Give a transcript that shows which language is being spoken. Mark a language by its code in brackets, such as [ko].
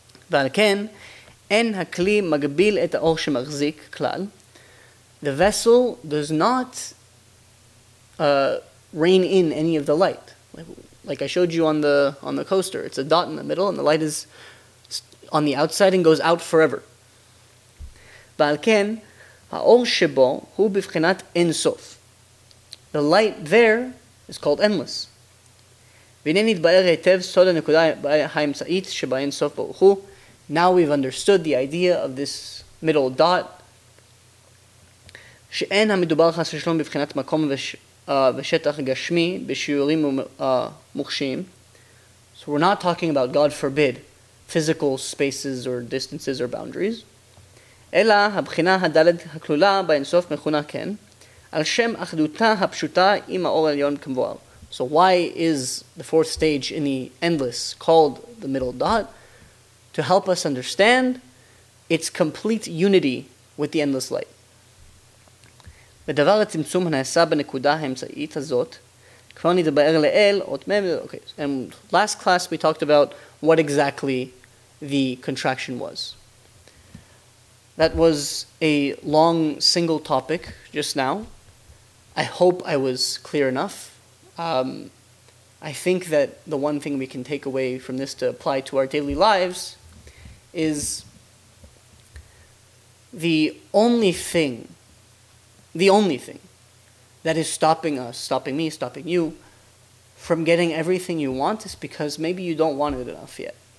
[en] The vessel does not rein in any of the light. Like I showed you on the coaster, it's a dot in the middle and the light is on the outside and goes out forever. [he] ועל כן, האור שבו הוא בבחינת אינסוף. [en] The light there is called endless. [he] והנה נתבאר היטב סוד הנקודה האמצעית שבה אינסוף ברוך הוא. [en] Now we've understood the idea of this middle dot. [he] שאין המדובר חס ושלום בבחינת מקום ושטח גשמי בשיעורים מוכשיים. [en] So we're not talking about, God forbid, physical spaces or distances or boundaries. [he] אלא הבחינה הדלת הכלולה באינסוף מכונה כן, על שם אחדותה הפשוטה עם האור העליון כמבואר. [en] So why is the fourth stage in the endless called the middle dot? To help us understand its complete unity with the endless light. [he] ודבר הצמצום הנעשה בנקודה האמצעית הזאת, כבר נדבר לאל, עוד מעבר, okay. [en] And last class we talked about what exactly the contraction was. That was a long single topic just now. I hope I was clear enough. I think that the one thing we can take away from this to apply to our daily lives is the only thing that is stopping us, stopping me, stopping you, from getting everything you want is because maybe you don't want it enough yet.